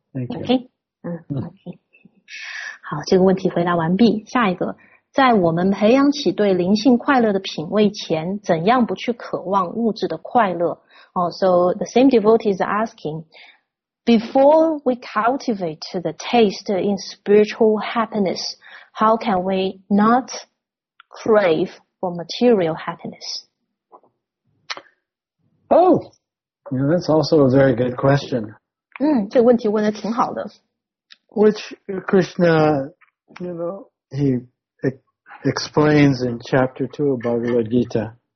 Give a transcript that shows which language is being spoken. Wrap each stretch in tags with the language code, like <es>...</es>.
<zh>OK，嗯 ，OK， 好，这个问题回答完毕。下一个，在我们培养起对灵性快乐的品味前，怎样不去渴望物质的快乐？</zh> <en>哦 ，So the same devotee is asking, before we cultivate the taste in spiritual happiness, how can we not crave for material happiness? Oh, yeah, that's also a very good question.</en> <zh>嗯，这个问题问得挺好的。</zh> <en>Which Krishna, you know, he explains in chapter 2 of Bhagavad Gita.</en>